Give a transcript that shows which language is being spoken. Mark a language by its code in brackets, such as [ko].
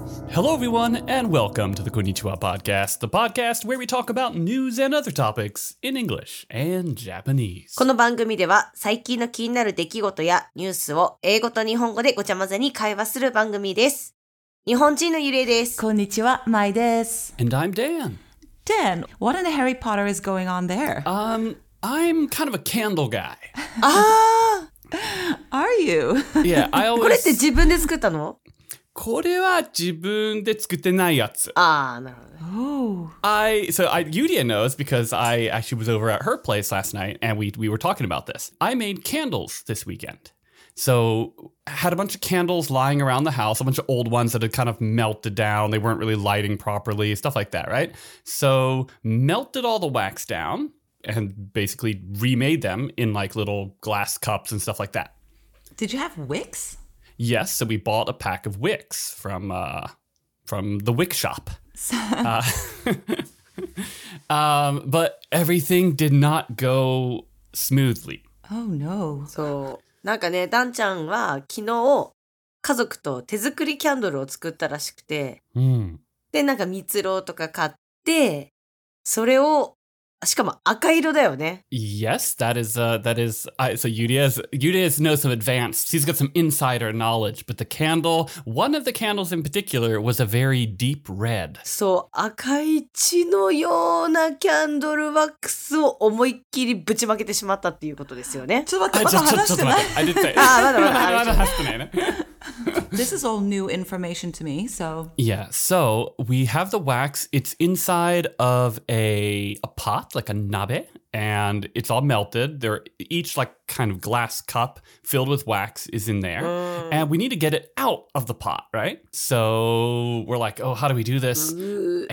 [en] Hello, everyone, and welcome to the Konnichiwa Podcast, the podcast where we talk about news and other topics in English and Japanese. [ja] この番組では最近の気になる出来事やニュースを英語と日本語でごちゃ混ぜに会話する番組です。日本人のゆれです。こんにちは、まいです。 [en] And I'm Dan. Dan, what in the Harry Potter is going on there? I'm kind of a candle guy. Ah! Are you? Yeah, I always... [ja] これって自分で作ったの？これは自分で作ってないやつ。ああ、なるほど。 [en] Oh. So Yuria knows because I actually was over at her place last night and we were talking about this. I made candles this weekend. So, had a bunch of candles lying around the house, a bunch of old ones that had kind of melted down. They weren't really lighting properly, stuff like that, right? So, melted all the wax down and basically remade them in like little glass cups and stuff like that. Did you have wicks? Yes, so we bought a pack of wicks from the wick shop. but everything did not go smoothly. Oh, no. So... [ja] なんかね、ダンちゃんは昨日家族と手作りキャンドルを作ったらしくて、うん、で、なんか蜜蝋とか買って、それを、しかも赤色だよね。 [en] Yes, so Yuria's knows some advanced, she's got some insider knowledge, but the candle, one of the candles in particular was a very deep red. [ja] そう、赤い血のようなキャンドルワックスを思いっきりぶちまけてしまったっていうことですよね。ちょっと待って、まだ話してない。 [en] I did say it. [ja] あ、まだまだ。まだまだ話してないね。 [en] This is all new information to me, so... Yeah, so we have the wax. It's inside of a pot, like a nabe, and it's all melted. They're each like kind of glass cup filled with wax is in there. Mm. And we need to get it out of the pot, right? So we're like, oh, how do we do this? Mm.